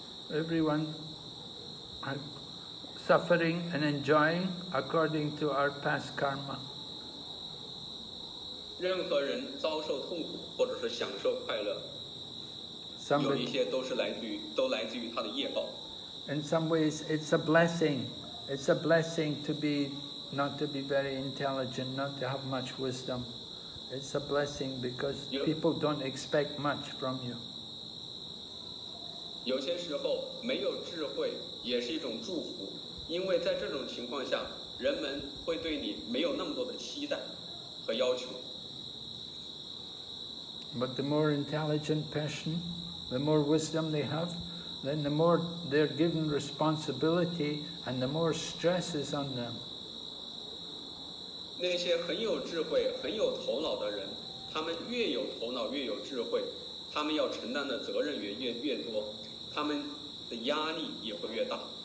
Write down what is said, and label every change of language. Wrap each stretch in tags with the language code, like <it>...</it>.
<en>Everyone are suffering and enjoying according to our past karma.</en> <zh>任何人遭受痛苦或者是享受快乐,</zh> <en>Somebody,</en> <zh>有一些都来自于他的业报。</zh> <en>In some ways it's a blessing. It's a blessing to be not to be very intelligent, not to have much wisdom. It's a blessing because people don't expect much from you.</en> <zh>有些时候没有智慧也是一种祝福，因为在这种情况下，人们会对你没有那么多的期待和要求。</zh> <en>But the more intelligent person, the more wisdom they have, then the more they're given responsibility and the more stress is on them.</en> <zh>那些很有智慧、很有头脑的人，他们越有头脑、越有智慧，他们要承担的责任也越多，他们的压力也会越大。</zh>